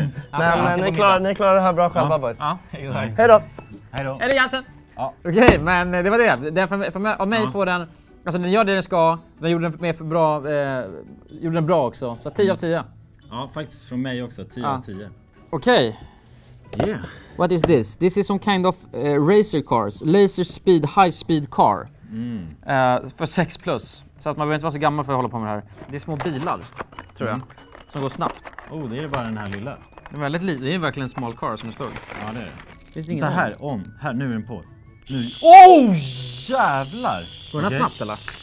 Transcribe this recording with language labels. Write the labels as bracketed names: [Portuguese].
[Swedish] Men ni klarar det här bra själva, boys. Ja, exakt. Hej då. Hej då. Är det Jansson? Ja. Okej, men det var det. Av mig får den... Alltså den gör det den ska, den gjorde den med för bra, gjorde den bra också, så 10 av 10. Ja, faktiskt från mig också, 10 av 10. Okej. [English] Okay. Yeah. What is this? This is some kind of racer cars, laser speed, high speed car. [Swedish] För 6 plus. Så att man behöver inte vara så gammal för att hålla på med det här. Det är små bilar, tror jag. Som går snabbt. Oh, det är bara den här lilla. Det är väldigt det är verkligen en [English] small car [Swedish] som är stor. Ja, det är det. Finns det ingen här, om. Här, nu är den på. Nu. Oh, jävlar! Går den här snabbt, eller?